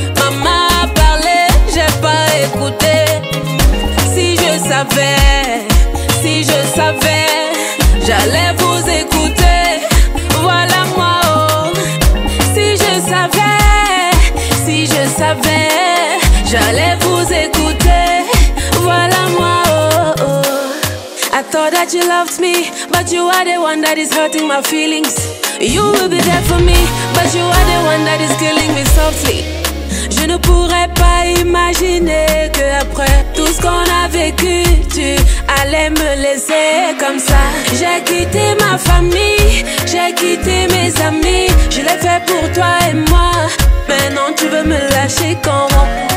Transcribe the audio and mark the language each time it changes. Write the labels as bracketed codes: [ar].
[fr] Maman a parlé, j'ai pas écouté. Si je savais, si je savais, j'allais vous écouter. Voilà moi, oh. Si je savais, si je savais, j'allais vous écouter. Voilà moi, oh, oh. [en] I thought that you loved me, but you are the one that is hurting my feelings. You will be there for me, but you are the one that is killing me softly. [fr] Je ne pourrais pas imaginer que après tout ce qu'on a vécu, tu allais me laisser comme ça. J'ai quitté ma famille, j'ai quitté mes amis. Je l'ai fait pour toi et moi. Maintenant tu veux me lâcher comment?